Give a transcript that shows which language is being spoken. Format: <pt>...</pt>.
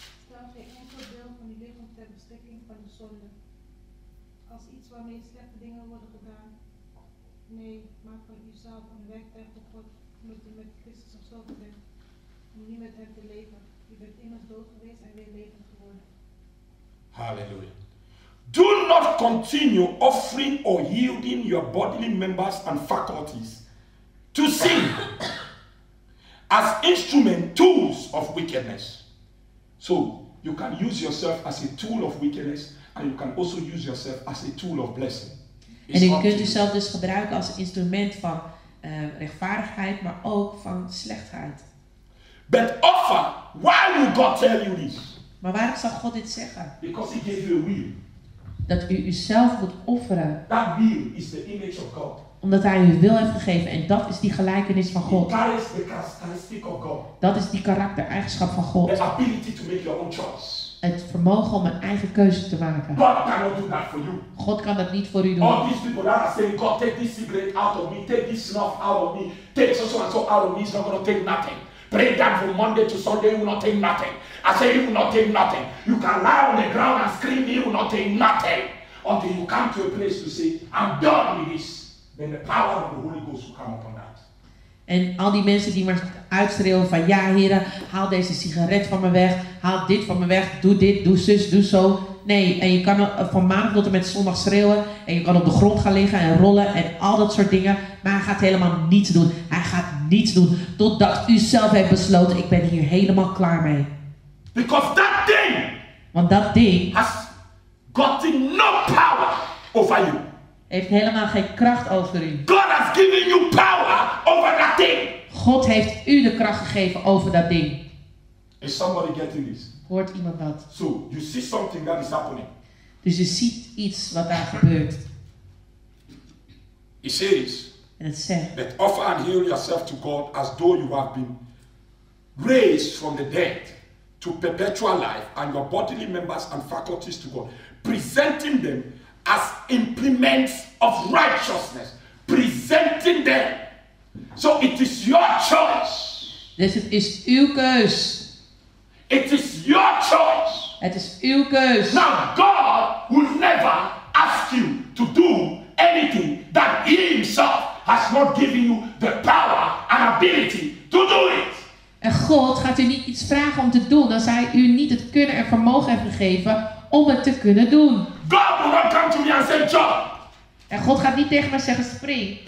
<nl>Stel geen enkel deel van je lichaam ter beschikking van de zonde, als iets waarmee slechte dingen worden gedaan. Nee, maak van jezelf een werktuig voor God, omdat je met Christus of zo bent, om niet met hem te leven. Je bent immers dood geweest en weer levend. Hallelujah.</nl> <en>Do not continue offering or yielding your bodily members and faculties to sin as instrument, tools of wickedness. So you can use yourself as a tool of wickedness and you can also use yourself as a tool of blessing.</en> <nl>En je kunt jezelf dus gebruiken als instrument van rechtvaardigheid, maar ook van slechtheid.</nl> <en>But offer, why would God tell you this?</en> <nl>Maar waarom zal God dit zeggen?</nl> <en>Because he gave you a will.</en> <nl>Dat u uzelf moet offeren.</nl> <en>That will is the image of God.</en> <nl>Omdat hij uw wil heeft gegeven. En dat is die gelijkenis van God.</nl> <en>That is the characteristic of God.</en> <nl>Dat is die karaktereigenschap van God.</nl> <en>The ability to make your own choice.</en> <nl>Het vermogen om een eigen keuze te maken.</nl> <en>God cannot do that for you.</en> <nl>God kan dat niet voor u doen.</nl> <en>All these people that are saying, God, take this cigarette out of me. Take this snuff out of me. Take so and so out of me. It's not going to take nothing. Pray that from Monday to Sunday, you will not take nothing. I say you will not take nothing. You can lie on the ground and scream, you will not take nothing. Until you come to a place to say, I'm done with this. Then the power of the Holy Ghost will come upon that.</en> <nl>En al die mensen die maar uitschreeuwen van, ja heren, haal deze sigaret van me weg. Haal dit van me weg. Doe dit, doe zus, doe zo. Nee, en je kan van maandag tot en met zondag schreeuwen. En je kan op de grond gaan liggen en rollen en al dat soort dingen. Maar hij gaat helemaal niets doen. Hij gaat niets doen. Totdat u zelf heeft besloten, ik ben hier helemaal klaar mee.</nl> <en>Because that thing,</en> <nl>want dat ding</nl> <en>has gotten no power over you.</en> <nl>Heeft helemaal geen kracht over u.</nl> <en>God has given you power over that thing.</en> <nl>God heeft u de kracht gegeven over dat ding.</nl> <en>Is somebody getting this?</en> <nl>Hoort iemand dat?</nl> <en>So, you see something that is happening.</en> <nl>Dus je ziet iets wat daar gebeurt.</nl> <en>It says,</en> <nl>en het zegt,</nl> <en>but offer and heal yourself to God as though you have been raised from the dead to perpetual life, and your bodily members and faculties to God, presenting them as implements of righteousness. Presenting them. So it is your choice.</en> <nl>Dus het is uw keus.</nl> <en>It is your choice.</en> <nl>Het is uw keus.</nl> <en>Now God will never ask you to do anything that he himself has not given you the power and ability to do it.</en> <nl>En God gaat u niet iets vragen om te doen als hij u niet het kunnen en vermogen heeft gegeven om het te kunnen doen.</nl> <en>God will not come to me and say, jump.</en> <nl>En God gaat niet tegen mij zeggen, spring.</nl>